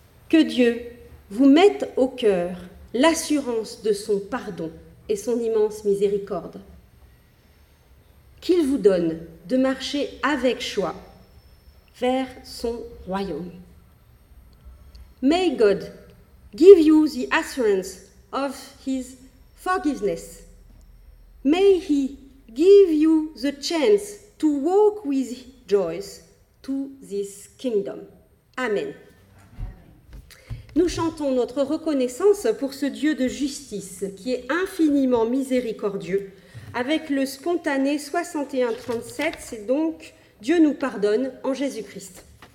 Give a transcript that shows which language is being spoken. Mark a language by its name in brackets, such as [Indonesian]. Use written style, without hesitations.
[French] Que Dieu vous mette au cœur l'assurance de son pardon et son immense miséricorde. Qu'il vous donne de marcher avec choix vers son royaume. [English] May God give you the assurance of his forgiveness. May he give you the chance to walk with joy to this kingdom. Amen. [French] Nous chantons notre reconnaissance pour ce Dieu de justice qui est infiniment miséricordieux. Avec le spontané 61-37, c'est donc « Dieu nous pardonne en Jésus-Christ ».